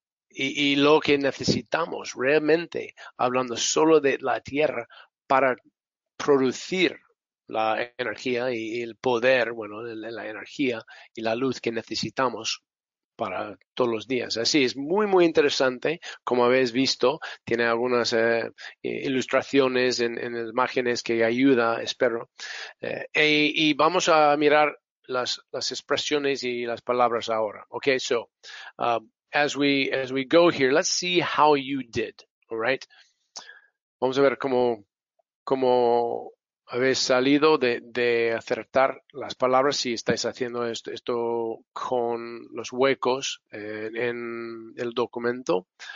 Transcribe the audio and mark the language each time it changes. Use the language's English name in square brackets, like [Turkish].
[Spanish] Y lo que necesitamos realmente, hablando solo de la tierra, para producir la energía y el poder, bueno, la energía y la luz que necesitamos para todos los días. Así es muy, muy interesante, como habéis visto, tiene algunas ilustraciones en las imágenes que ayuda, espero. Y vamos a mirar las expresiones y las palabras ahora. [English] Okay, so... As we go here, let's see how you did. All right. [Spanish] Vamos a ver cómo habéis salido de acertar las palabras, si estáis haciendo esto con los huecos en el documento.